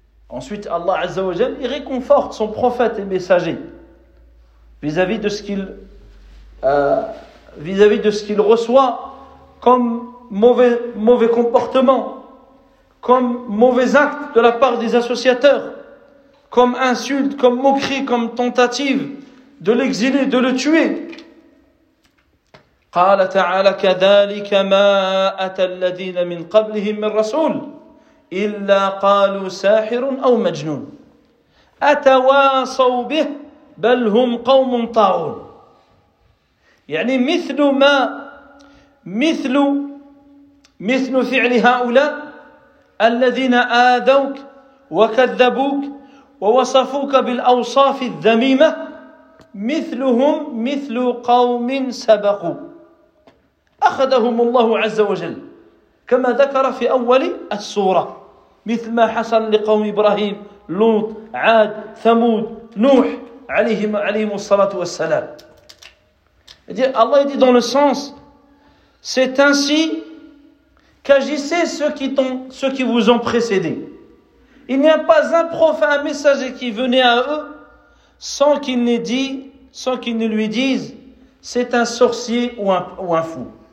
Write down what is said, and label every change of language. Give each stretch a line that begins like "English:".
French: Ensuite Allah
Arabic: Azza wa Jal,
French: il réconforte son prophète et messager vis-à-vis de ce qu'il vis-à-vis de ce qu'il reçoit comme mauvais comportement, comme mauvais acte de la part des associateurs, comme insulte, comme moquerie, comme tentative de l'exiler, de le tuer.
Arabic: قال تعالى كذلك ما أتى الذين من قبلهم من رسول إلا قالوا ساحر أو مجنون أتواصوا به بل هم قوم طاغون يعني مثل ما مثل فعل هؤلاء الذين آذوك وكذبوك ووصفوك بالأوصاف الذميمة مثلهم مثل قوم سبقوا أخذهم الله عز وجل كما ذكر في أول السورة مثل ما حصل لقوم إبراهيم لوط عاد ثمود نوح عليهم الصلاة والسلام.
French: Allah dit dans le sens, c'est ainsi qu'agissaient ceux qui vous ont précédé. Il n'y a pas un prophète, un messager qui venait à eux sans qu'ils ne disent, sans qu'ils ne lui disent, c'est un sorcier ou un fou.